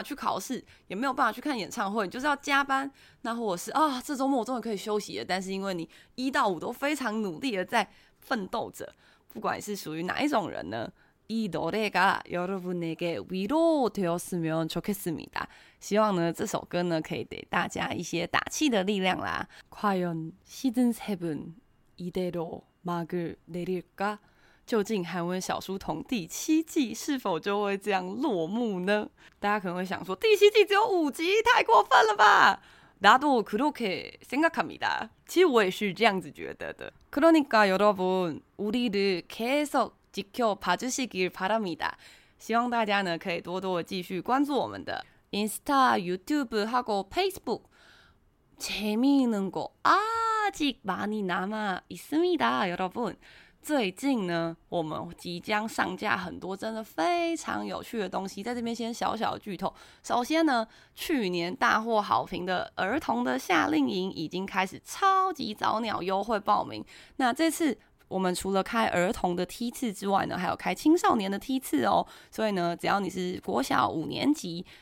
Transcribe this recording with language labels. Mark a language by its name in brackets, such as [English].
[Chinese] 维他命们吃下去了吗？不管你是这个周末要去考TOPIC考试，还是呢你是现在正在去高雄的路上，等下去高雄的话呢，一定会很热，而且会很辛苦。上一次看那个樱花节，我就觉得已经非常辛苦了。那想必呢，高雄这个场馆更大，而且摇滚区要站的人一定也很辛苦又很热，大家记得多多的补充水分。那或者是，哎，你被工作压得喘不过气，其实你这周末根本就什么事都没办法做，也没办法去考试，也没有办法去 看演唱会，就是要加班。那或者是啊，这周末我终于可以休息了。但是因为你一到五都非常努力的在奋斗着，不管是属于哪一种人呢， [Korean] 이 노래가 여러분에게 위로 되었으면 좋겠습니다. [Chinese] 希望呢这首歌呢可以给大家一些打气的力量啦。 [Korean] 과연 시즌 7 이대로 막을 내릴까? [Chinese] 究竟韩文小书童第七季是否就会这样落幕呢? 大家可能会想说第七季只有五集太过分了吧? [Korean] 나도 그렇게 생각합니다. [Chinese] 其实我也是这样子觉得的。 [Korean] 그러니까 여러분 우리를 계속 지켜봐주시길 바랍니다. [Chinese] 希望大家呢可以多多继续关注我们的 [Korean] 인스타, 유튜브하고 페이스북 재미있는 거 아직 많이 남아있습니다. [Chinese] 여러분 最近呢，我们即将上架很多真的非常有趣的东西，在这边先小小的剧透。首先呢，去年大获好评的儿童的夏令营已经开始超级早鸟优惠报名。那这次我们除了开儿童的梯次之外呢，还有开青少年的梯次哦。所以呢，只要你是国小五年级，